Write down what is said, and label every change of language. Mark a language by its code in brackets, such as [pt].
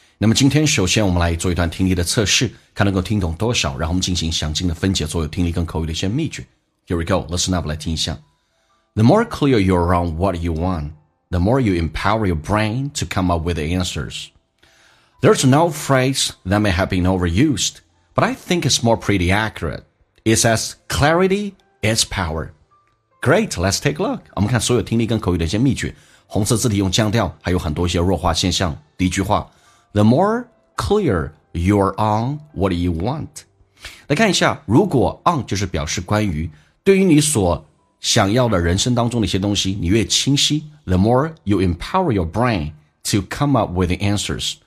[zh] 那么今天首先我们来做一段听力的测试，看能够听懂多少，然后我们进行详尽的分解，做有听力跟口语的一些秘诀。 [en] Here we go, listen up, [zh] 来听一下。 [en] The more clear you're on what you want, the more you empower your brain to come up with the answers. There's an old phrase that may have been overused, but I think it's more pretty accurate. It's as clarity as power. Great, let's take a look. [zh] 我们看所有听力跟口语的一些秘诀。红色字体用降调，还有很多一些弱化现象。第一句话 [en] ,The more clear you're on what you want. [zh] 来看一下，如果 on 就是表示关于，对于你所想要的人生当中的一些东西，你越清晰 , [en] The more you empower your brain to come up with the answers.